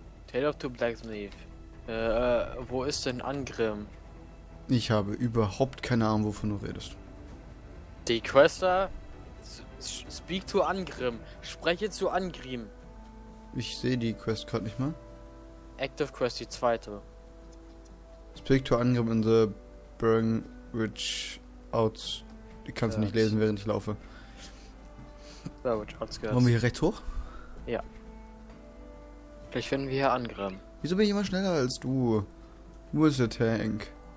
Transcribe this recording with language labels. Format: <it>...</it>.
<en>Tale of Two Blacksmith.</en> <de>Wo ist denn Angrim? Ich habe überhaupt keine Ahnung, wovon du redest. Die Questa?</de> <en>Speak to Angrim.</en> <de>Spreche zu Angrim. Ich sehe die Quest gerade nicht mehr.</de> <en>Active Quest,</en> <de>die zweite.</de> <en>Speak to Angrim in the Burn Ridge Outskirts.</en> <de>Ich kann es nicht lesen, während ich laufe.</de> <en>Burwich</en> <de>Wollen wir</de> <en>Outskirts.</en> <de>hier rechts hoch? Ja. Vielleicht finden wir hier Angrim. Wieso bin ich immer schneller als du? Wo ist der Tank?</de>